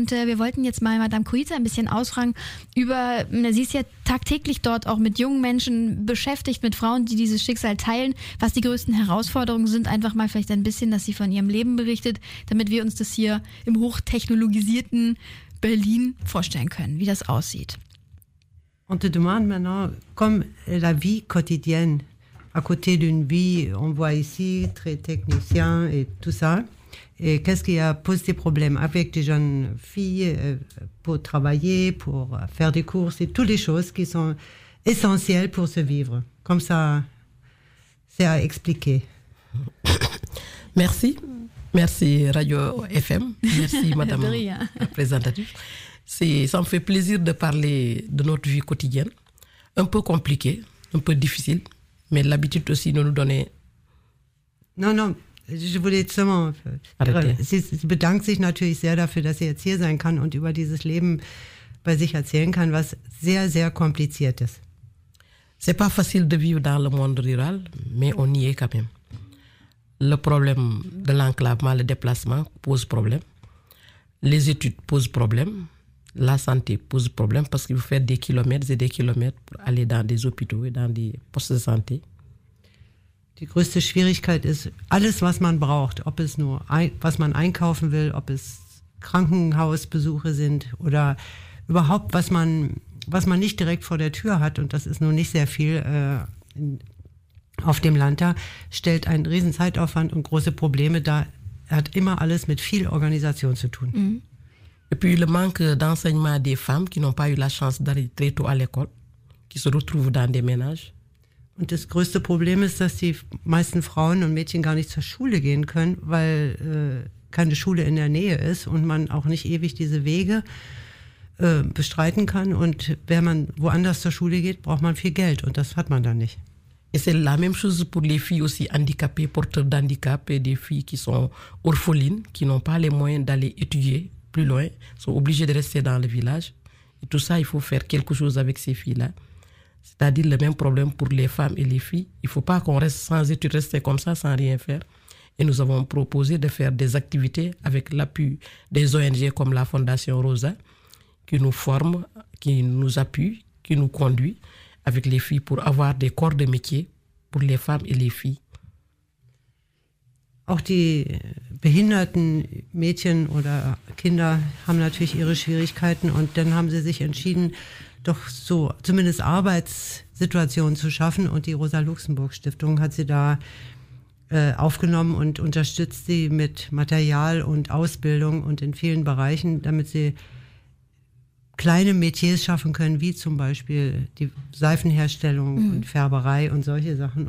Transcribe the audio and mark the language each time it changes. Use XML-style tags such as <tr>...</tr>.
<de>Und wir wollten jetzt mal Madame Koita ein bisschen ausfragen über, sie ist ja tagtäglich dort auch mit jungen Menschen beschäftigt, mit Frauen, die dieses Schicksal teilen, was die größten Herausforderungen sind. Einfach mal vielleicht ein bisschen, dass sie von ihrem Leben berichtet, damit wir uns das hier im hochtechnologisierten Berlin vorstellen können, wie das aussieht.</de> <fr>On te demande maintenant comme la vie quotidienne à côté d'une vie, on voit ici très technicien et tout ça. Et qu'est-ce qui a posé des problèmes avec des jeunes filles pour travailler, pour faire des courses et toutes les choses qui sont essentielles pour se vivre? Comme ça, c'est à expliquer. Merci. Merci Radio FM. Merci Madame la présentatrice. Ça me fait plaisir de parler de notre vie quotidienne. un peu compliqué, un peu difficile, mais l'habitude aussi de nous donner. Non, non, je voulais seulement.</fr> <de>Sie bedankt sich natürlich sehr dafür, dass sie jetzt hier sein kann und über dieses Leben bei sich erzählen kann, was sehr, sehr kompliziert ist.</de> <fr>C'est pas facile de vivre dans le monde rural, mais on y est quand même. Le problème de l'enclavement, le déplacement pose problème. Les études posent problème. La santé pose problème parce qu'il faut faire des kilomètres et des kilomètres pour aller dans des hôpitaux et dans des postes de santé.</fr> <de>Die größte Schwierigkeit ist alles, was man braucht, ob es nur was man einkaufen will, ob es Krankenhausbesuche sind oder überhaupt was man nicht direkt vor der Tür hat, und das ist nun nicht sehr viel auf dem Land da, stellt einen riesen Zeitaufwand und große Probleme dar. Er hat immer alles mit viel Organisation zu tun. Mm.</de> <fr>Et puis le manque d'enseignement des femmes qui n'ont pas eu la chance d'aller très tôt à l'école, qui se retrouvent dans des ménages.</fr> <de>Und das größte Problem ist, dass die meisten Frauen und Mädchen gar nicht zur Schule gehen können, weil keine Schule in der Nähe ist und man auch nicht ewig diese Wege bestreiten kann. Und wenn man woanders zur Schule geht, braucht man viel Geld, und das hat man dann nicht.</de> <fr>Et c'est la même chose pour les filles aussi handicapées, porteurs d'handicap, et des filles qui sont orphelines, qui n'ont pas les moyens d'aller étudier plus loin, sont obligées de rester dans le village. Et tout ça, il faut faire quelque chose avec ces filles-là. C'est-à-dire le même problème pour les femmes et les filles. Il ne faut pas qu'on reste sans études, rester comme ça, sans rien faire. Et nous avons proposé de faire des activités avec l'appui des ONG comme la Fondation Rosa, qui nous forme, qui nous appuie, qui nous conduit avec les filles pour avoir des corps de métier pour les femmes et les filles.</fr> <de>Auch die behinderten Mädchen oder Kinder haben natürlich ihre Schwierigkeiten, und dann haben sie sich entschieden, doch so zumindest Arbeitssituationen zu schaffen. Und die Rosa-Luxemburg-Stiftung hat sie da aufgenommen und unterstützt sie mit Material und Ausbildung und in vielen Bereichen, damit sie kleine Metiers schaffen können, wie zum Beispiel die Seifenherstellung und Färberei und solche Sachen.</de>